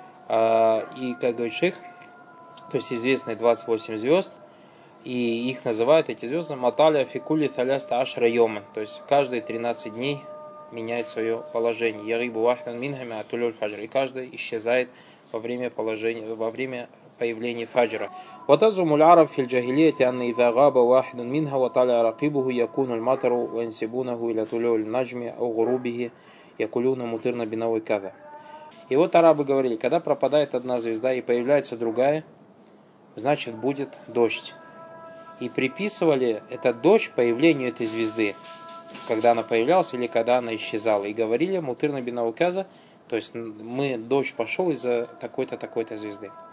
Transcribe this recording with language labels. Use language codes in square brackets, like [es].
[ru] И как говорит шейх, то есть известные 28 звезд, и их называют эти звезды [ar] Маталя Фикули Таляста Ашра Йома, [ru] то есть каждые 13 дней меняет свое положение. [ar] Ярибу Вахтан Минхами Атулюль Фаджр, [ru] и каждый исчезает во время положения, во время появления фаджра. [ar] وتزعم العرب في الجاهلية أن إذا غاب واحد منها وطلع رقيبه يكون المطر وينسبونه إلى طلوع النجم أو غروبه يقولون مطرنا بنوع كذا. [ru] И вот арабы говорили, когда пропадает одна звезда и появляется другая, значит будет дождь. И приписывали этот дождь появлению этой звезды, когда она появлялась или когда она исчезала. И говорили [ar] мутырна бинау каза, [ru] то есть мы дождь пошел из-за такой-то, такой-то звезды.